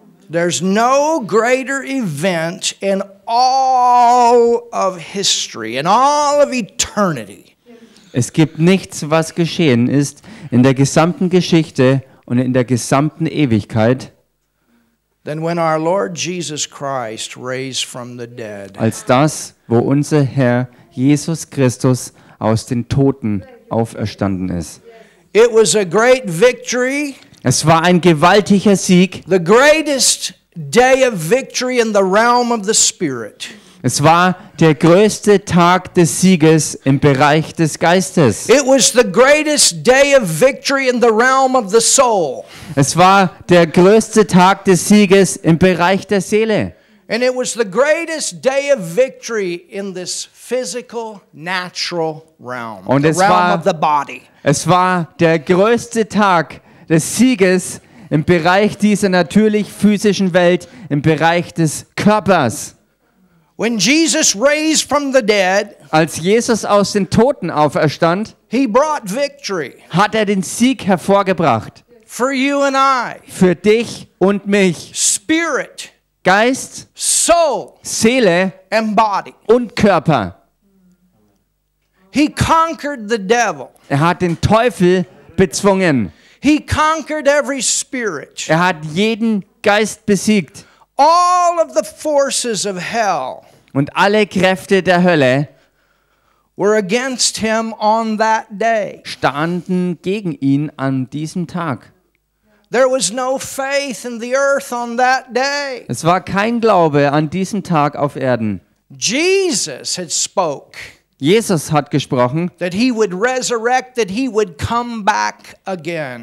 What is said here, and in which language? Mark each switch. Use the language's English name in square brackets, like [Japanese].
[English] There's no greater event in all of history, in all of eternity. [German] Es gibt nichts, was geschehen ist in der gesamten Geschichte und in der gesamten Ewigkeit, [English] than when our Lord Jesus Christ raised from the dead. [German] Als das, wo unser Herr Jesus Christus aus den Toten auferstanden ist. [English] It was a great victory. [German] Es war ein gewaltiger Sieg. [English] The greatest day of victory in the realm of the spirit. [German] Es war der größte Tag des Sieges im Bereich des Geistes. [English] It was the greatest day of victory in the realm of the soul. [German] Es war der größte Tag des Sieges im Bereich der Seele. [English] And it was the greatest day of victory in this physical, natural realm. [German] Und es [English] the realm [German] war, [English] of the body. [German] Es war der größte Tag des Sieges im Bereich dieser natürlich physischen Welt, im Bereich des Körpers. [English] When Jesus raised from the dead, [German] als Jesus aus den Toten auferstand, [English] he brought victory. [German] Hat er den Sieg hervorgebracht. [English] For you and I. [German] Für dich und mich. [English] Spirit. [German] Geist, [English] Soul, [German] Seele [English] and body. [German] Und Körper. [English] He conquered the devil. [German] Er hat den Teufel bezwungen. [English] He conquered every spirit. [German] Er hat jeden Geist besiegt. [English] All of the forces of hell. [German] Und alle Kräfte der Hölle [English] were against him on that day. [German] Standen gegen ihn an diesem Tag. [English] There was no faith in the earth on that day. [German] Es war kein Glaube an diesem Tag auf Erden. [English] Jesus had spoke. [German] Jesus hat gesprochen, [English] that he would resurrect, that he would come back again.